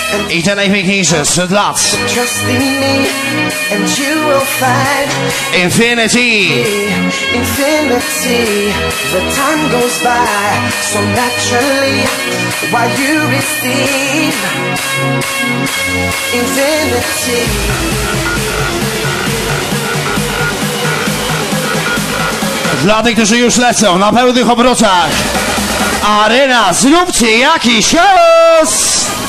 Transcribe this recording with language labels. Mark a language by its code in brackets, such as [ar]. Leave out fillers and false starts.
[pl] I te najpiękniejsze sprzed lat. [en] Trust in me and you will find infinity. Infinity. The time goes by so naturally while you receive infinity. [pl] Dla tych, którzy już lecą na pełnych obrotach, arena, zróbcie jakiś hałas.